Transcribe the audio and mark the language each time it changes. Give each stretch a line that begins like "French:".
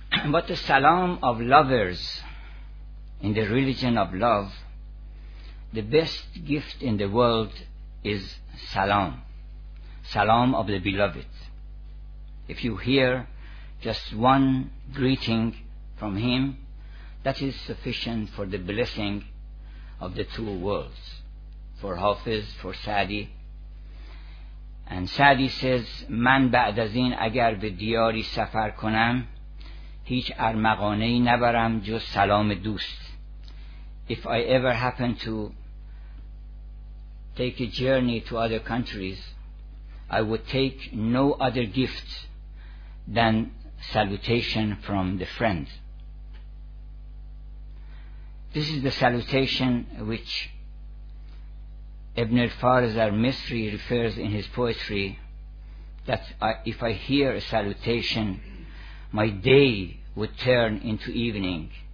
English: But the salam of lovers in the religion of love, the best gift in the world is salam, salam of the beloved. If you hear just one greeting from him, that is sufficient for the blessing of the two worlds, for Hafiz, for Sa'di. And Sa'di says,
Persian: من بعد از این اگر به دیاری سفر کنم هیچ ارمغانه ای نبرم جز سلام دوست.
English: If I ever happen to take a journey to other countries, I would take no other gift than salutation from the friend. This is the salutation which Ibn al-Fariz al-Misri refers in his poetry, that if I hear a salutation, my day would turn into evening.